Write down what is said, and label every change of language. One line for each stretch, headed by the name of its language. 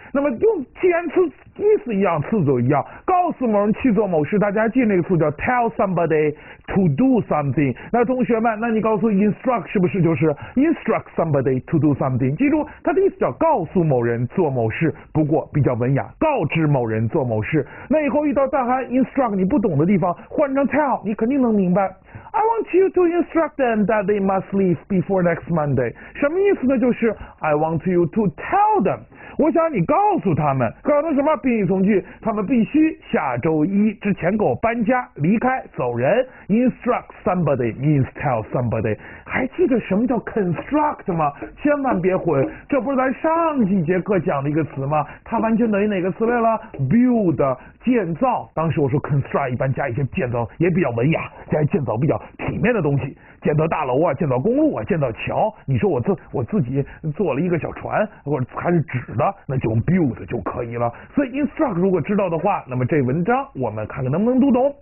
Chinese: 那么用既然词意思一样，词组一样，告诉某人去做某事，大家记那个词叫
English: tell somebody to do something，
Chinese: 那同学们，那你告诉 instruct 是不是就是
English: instruct somebody to do something，
Chinese: 记住它的意思叫告诉某人做某事，不过比较文雅，告知某人做某事。那以后遇到大寒 instruct 你不懂的地方换成 tell， 你肯定能明白。
English: I want you to instruct them that they must leave before next Monday，
Chinese: 什么意思呢，就是
English: I want you to tell them，
Chinese: 我想你告诉他们，搞的什么病例从句，他们必须下周一之前给我搬家离开走人。
English: instruct somebody means tell somebody，
Chinese: 还记得什么叫
English: construct 吗？
Chinese: 千万别混，这不是咱上几节课讲的一个词吗？它完全等于哪个词类了？ build 建造。当时我说 construct 一般加一些建造也比较文雅，加建造比较体面的东西，建造大楼啊，建造公路啊，建造桥。你说我自己做了一个小船，或者还是纸的，那就用 build 就可以了。所以 instruct 如果知道的话，那么这文章我们看看能不能读懂。